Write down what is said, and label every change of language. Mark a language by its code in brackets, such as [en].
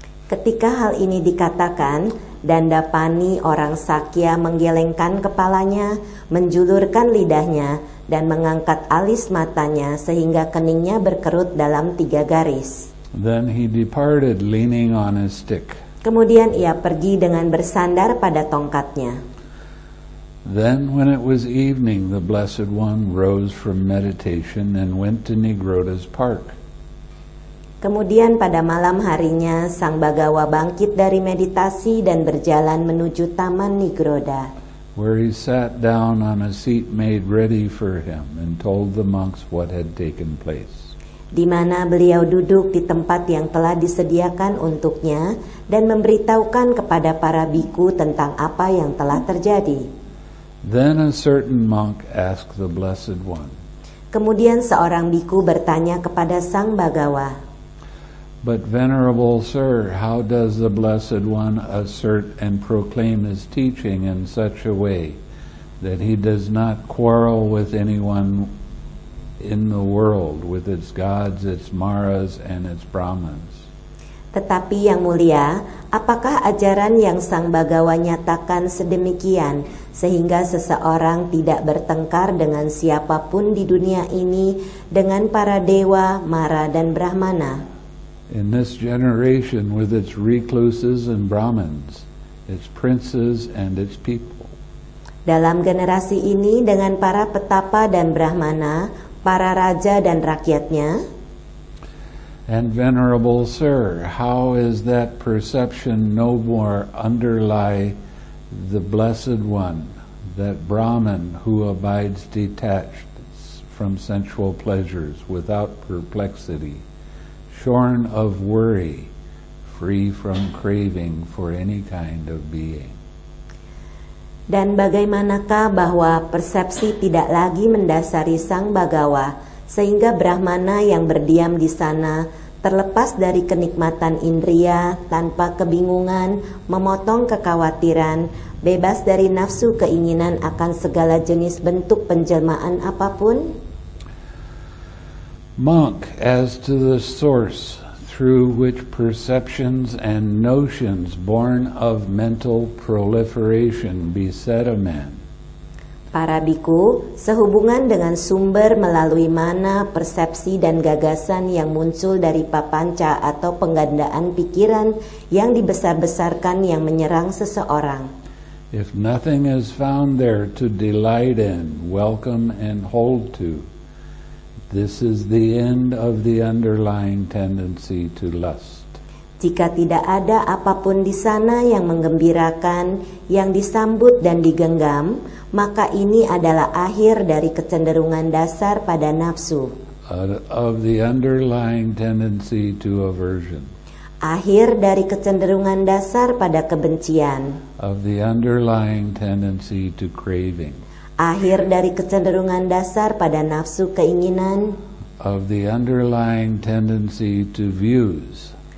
[id] Ketika hal ini dikatakan, Dandapani, orang Sakya, menggelengkan kepalanya, menjulurkan lidahnya, dan mengangkat alis matanya sehingga keningnya berkerut dalam tiga garis. [en] Then he departed leaning on his stick. [id] Kemudian ia pergi dengan bersandar pada tongkatnya. [en] Then when it was evening, the Blessed One rose from meditation and went to Nigrodha's park. [id] Kemudian pada malam harinya, Sang Bhagava bangkit dari meditasi dan berjalan menuju Taman Nigrodha. [en] Where he sat down on a seat made ready for him and told the monks what had taken place. [id] Di mana beliau duduk di tempat yang telah disediakan untuknya dan memberitahukan kepada para bhikkhu tentang apa yang telah terjadi. [en] Then a certain monk asked the Blessed One. [id] Kemudian seorang bhikkhu bertanya kepada Sang Bhagava. [en] But venerable sir, how does the Blessed One assert and proclaim his teaching in such a way that he does not quarrel with anyone in the world, with its gods, its maras, and its brahmans? [id] Tetapi yang mulia, apakah ajaran yang Sang Bhagava nyatakan sedemikian sehingga seseorang tidak bertengkar dengan siapapun di dunia ini, dengan para dewa, mara, dan brahmana? [en] In this generation, with its recluses and brahmins, its princes and its people. [id] Dalam generasi ini dengan para petapa dan brahmana, para raja dan rakyatnya. [en] And venerable sir, how is that perception no more underlie the Blessed One, that Brahman who abides detached from sensual pleasures without perplexity, shorn of worry, free from craving for any kind of being? [id] Dan bagaimanakah bahwa persepsi tidak lagi mendasari Sang Bhagava, sehingga Brahmana yang berdiam di sana, terlepas dari kenikmatan indria, tanpa kebingungan, memotong kekhawatiran, bebas dari nafsu keinginan akan segala jenis bentuk penjelmaan apapun? [en] Monk, as to the source through which perceptions and notions born of mental proliferation beset a man. [id] Para bhikkhu, sehubungan dengan sumber melalui mana persepsi dan gagasan yang muncul dari papanca atau penggandaan pikiran yang dibesar-besarkan yang menyerang seseorang. [en] If nothing is found there to delight in, welcome and hold to, this is the end of the underlying tendency to lust. [id] Jika tidak ada apapun di sana yang menggembirakan, yang disambut dan digenggam, maka ini adalah akhir dari kecenderungan dasar pada nafsu. [en] Of the underlying tendency to aversion. [id] Akhir dari kecenderungan dasar pada kebencian. [en] Of the underlying tendency to craving. [id] Akhir dari kecenderungan dasar pada nafsu keinginan. [en] Of the underlying tendency to views.